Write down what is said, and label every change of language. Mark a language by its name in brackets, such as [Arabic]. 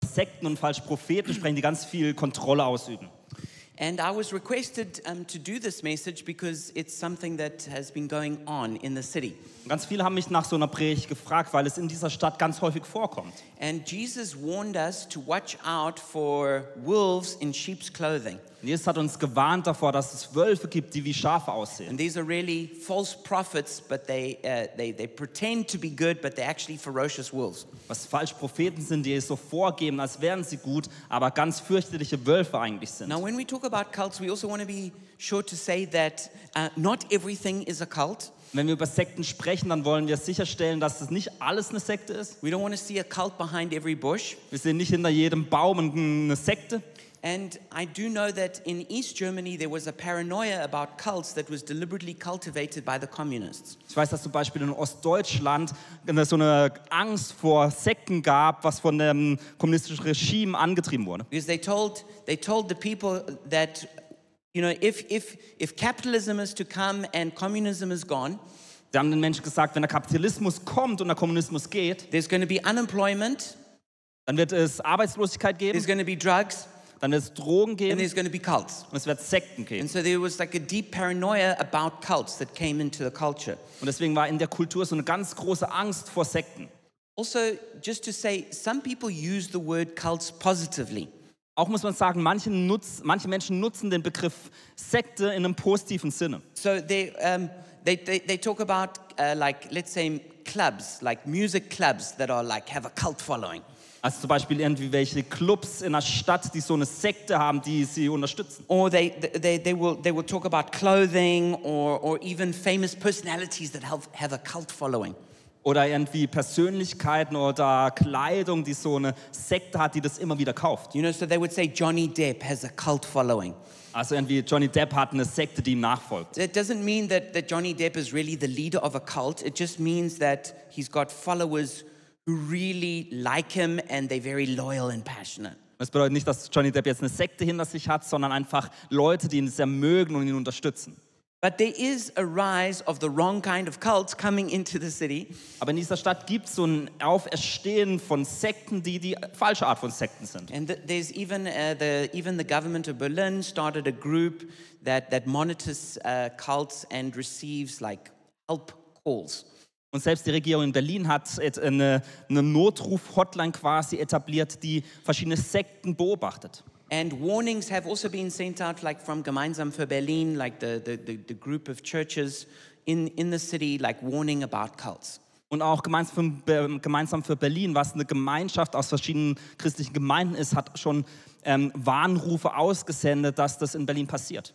[German] Sekten und falsche Propheten sprechen, die ganz viel Kontrolle ausüben. [English] And I was requested to do this message because it's something that has been going on in the city. [German] Ganz viele haben mich nach so einer Predigt gefragt, weil es in dieser Stadt ganz häufig vorkommt. [English] And Jesus warned us to watch out for wolves in sheep's clothing. [German] Jesus hat uns gewarnt davor, dass es Wölfe gibt, die wie Schafe aussehen. [English] And these are really false prophets, but they pretend to be good, but they're actually ferocious wolves. [German] Was falsche Propheten sind, die es so vorgeben, als wären sie gut, aber ganz fürchterliche Wölfe eigentlich sind. [English] Now, when we talk about cults, we also want to be sure to say that not everything is a cult. [German] Wenn wir über Sekten sprechen, dann wollen wir sicherstellen, dass das nicht alles eine Sekte ist. [English] We don't want to see a cult behind every bush. [German] Wir sehen nicht hinter jedem Baum eine Sekte. [English] And I do know that in East Germany there was a paranoia about cults that was deliberately cultivated by the communists. [German] Ich weiß, dass zum Beispiel in Ostdeutschland so eine Angst vor Sekten gab, was von dem kommunistischen Regime angetrieben wurde. [English] Because they told the people that, you know, if capitalism is to come and communism is gone. [German] Die haben den Menschen gesagt, wenn der Kapitalismus kommt und der Kommunismus geht, [English] there's going to be unemployment. [German] Dann wird es Arbeitslosigkeit geben. [English] There's going to be drugs. [German] Dann wird es Drogen geben. [English] And there's going to be cults. [German] Und es wird Sekten geben. [English] And so there was like a deep paranoia about cults that came into the culture. [German] Und deswegen war in der Kultur so eine ganz große Angst vor Sekten. [English] Also, just to say, some people use the word cults positively. [German] Auch muss man sagen, manche Menschen nutzen den Begriff Sekte in einem positiven Sinne. [English] So they talk about like, let's say, clubs, like music clubs that are like have a cult following. [German] Also zum Beispiel irgendwie welche Clubs in der Stadt, die so eine Sekte haben, die sie unterstützen. [English] Or they will talk about clothing or even famous personalities that have a cult following. [German] Oder irgendwie Persönlichkeiten oder Kleidung, die so eine Sekte hat, die das immer wieder kauft. [English] You know, so they would say Johnny Depp has a cult following. [German] Also irgendwie Johnny Depp hat eine Sekte, die ihm nachfolgt. [English] It doesn't mean that Johnny Depp is really the leader of a cult. It just means that he's got followers who really like him and they're very loyal and passionate. [German] Das bedeutet nicht, dass Johnny Depp jetzt eine Sekte hinter sich hat, sondern einfach Leute, die ihn sehr mögen und ihn unterstützen. [English] But there is a rise of the wrong kind of cults coming into the city. [German] Aber in dieser Stadt gibt's so ein Auferstehen von Sekten, die falsche Art von Sekten sind. [English] And there's even the government of Berlin started a group that monitors cults and receives like help calls. [German] Und selbst die Regierung in Berlin hat eine Notruf-Hotline quasi etabliert, die verschiedene Sekten beobachtet. [English] And warnings have also been sent out like from Gemeinsam für Berlin, like the group of churches in the city, like warning about cults. [German] Und auch Gemeinsam für Berlin, was eine Gemeinschaft aus verschiedenen christlichen Gemeinden ist, hat schon Warnrufe ausgesendet, dass das in Berlin passiert.